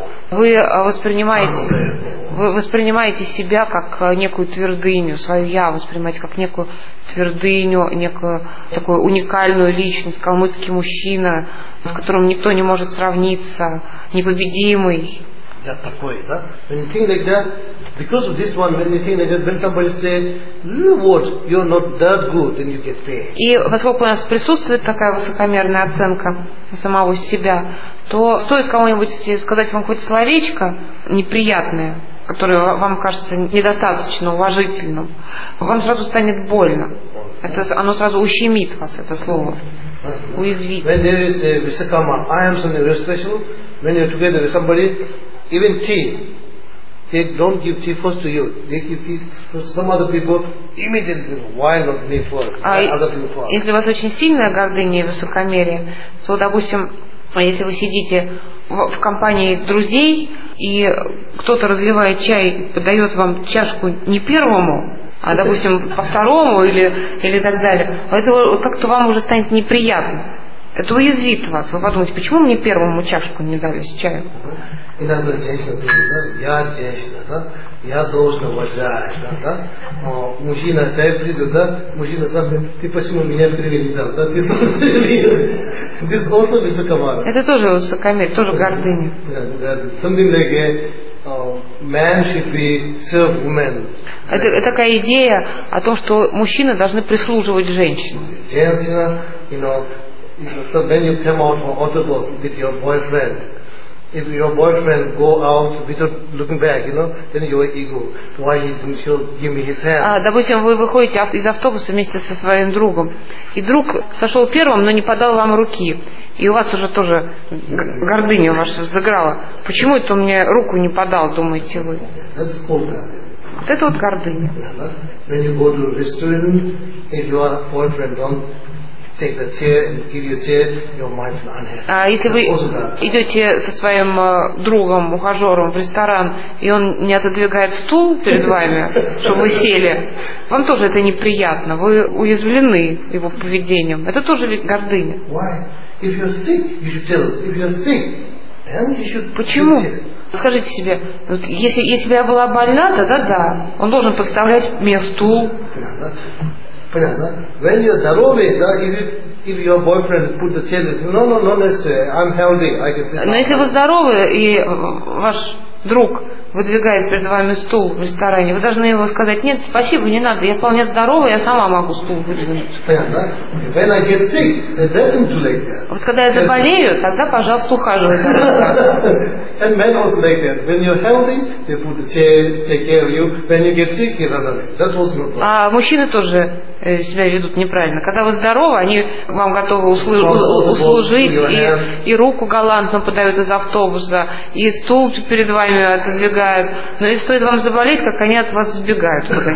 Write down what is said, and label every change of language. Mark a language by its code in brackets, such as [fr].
[ru] Вы воспринимаете себя как некую твердыню, свое я воспринимаете как некую твердыню, некую такую уникальную личность, калмыцкий мужчина, с которым никто не может сравниться, непобедимый. Я такой, да? [en] When you think like that, because of this one, when you think like that, when somebody says, what, you're not that good, then you get paid. [ru] И поскольку у нас присутствует такая высокомерная оценка самого себя, то стоит кому-нибудь сказать вам какое-то словечко неприятное, которое вам кажется недостаточно уважительным, вам сразу станет больно. Это, оно сразу ущемит вас, это слово. Уязвит. [en] When there is a высокомерный, I am something very special, when you're together with somebody, even tea, they don't give tea first to you. They give tea to some other people immediately. Why not me first? Why other people first? [ru] Если у вас очень сильная гордыня и высокомерие, то, допустим, если вы сидите в компании друзей и кто-то разливает чай, подает вам чашку не первому, а, допустим, по второму или так далее, это как-то вам уже станет неприятно. Это уязвит вас. Вы подумаете, почему мне первому чашку не дали с чаем? Иногда женщина думает, да, я женщина, да, я должен уважать, да, да. А мужчина, чай придет, да, мужчина сам говорит, ты почему меня привели, да, да, ты тоже высокомерие. Это тоже высокомерие, тоже гордыня. [en] Something like a man should be serve woman. [ru] Это такая идея о том, что мужчины должны прислуживать женщине. [en] Женщина, you know, so when you come out from autobus with your boyfriend, if your boyfriend go out without looking back, you know, then your ego, why he didn't show, give me his hand? [ru] Допустим, вы выходите из автобуса вместе со своим другом, и друг сошел первым, но не подал вам руки, и у вас уже тоже гордыня ваша взыграла. Почему это он мне руку не подал, думаете вы? [en] That's called gardening. [ru] Вот это вот гордыня. [en] When you go to a restaurant, if your boyfriend don't take the chair and give you a chair, your mind will unhappy. [ru] А если вы идете со своим другом, ухажером в ресторан, и он не отодвигает стул перед вами, чтобы вы сели, вам тоже это неприятно. Вы уязвлены его поведением. Это тоже гордыня. [en] Why? If you're sick, you should tell. If you're sick, then you should. [ru] Почему? Скажите себе, вот если бы я была больна, да, он должен подставлять мне стул. [en] When you're здоровый, да, if your boyfriend put the chair, no, necessary. I'm healthy, I can sit. [ru] Но если вы здоровы и ваш друг выдвигает перед вами стул в ресторане, вы должны его сказать: нет, спасибо, не надо, я вполне здоровый, я сама могу стул выдвинуть. Понятно? [en] When I get sick, let him do like that. [ru] Вот когда я заболею, тогда, пожалуйста, ухаживайте. [en] And men also like that. When you're healthy, they put the chair, take care of you. When you get sick, you run away. That was not. [ru] А мужчины тоже себя ведут неправильно. Когда вы здоровы, они вам готовы услужить и руку галантно подают из автобуса, и стул перед вами отодвигают. Но если стоит вам заболеть, как они от вас сбегают